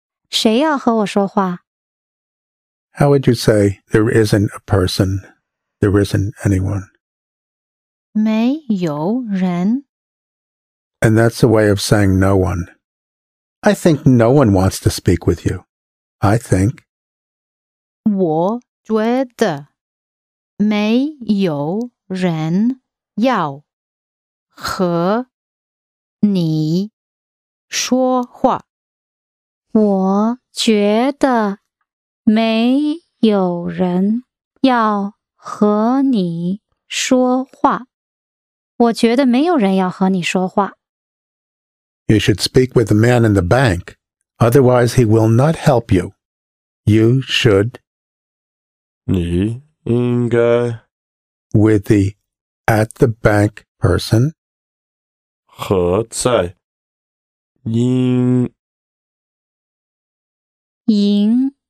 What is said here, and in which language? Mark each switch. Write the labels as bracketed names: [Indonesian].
[Chinese] 谁要和我说话? [English] How would you say there isn't a person, there isn't anyone? [Chinese] 没有人。 [English] And that's a way of saying no one. I think no one wants to speak with you. I think. [Chinese] 我觉得没有人要和你说话。我觉得没有人要和你说话。我觉得没有人要和你说话。 [English] You should speak with the man in the bank, otherwise he will not help you. You should. [Chinese] 你应该 [English] with the at the bank person. [Chinese] 和在银